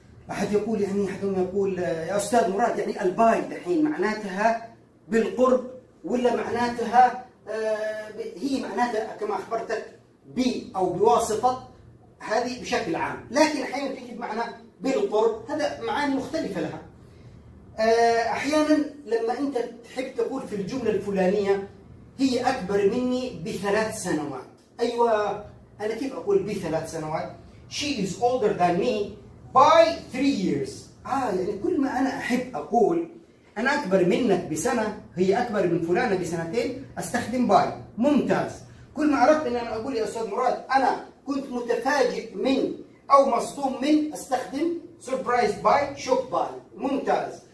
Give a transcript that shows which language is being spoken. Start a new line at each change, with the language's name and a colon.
Arabic: أحد يقول يعني أحدهم يقول يا أستاذ مراد يعني الباي دحين معناتها بالقرب ولا معناتها هي معناتها كما أخبرتك بي أو بواسطة، هذه بشكل عام، لكن أحيانا تجد معنى بالقرب، هذا معاني مختلفة لها. أحيانا لما أنت تحب تقول في الجملة الفلانية هي أكبر مني بثلاث سنوات. أيوة أنا كيف أقول بثلاث سنوات؟
English: She is older than me by 3 years.
Arabic: يعني كل ما أنا أحب أقول أنا أكبر منك بسنة، هي أكبر من فلانة بسنتين، أستخدم by. ممتاز. كل ما أردت أن أنا أقول يا أستاذ مراد أنا كنت متفاجئ من أو مصدوم من استخدم surprise by shock by. ممتاز.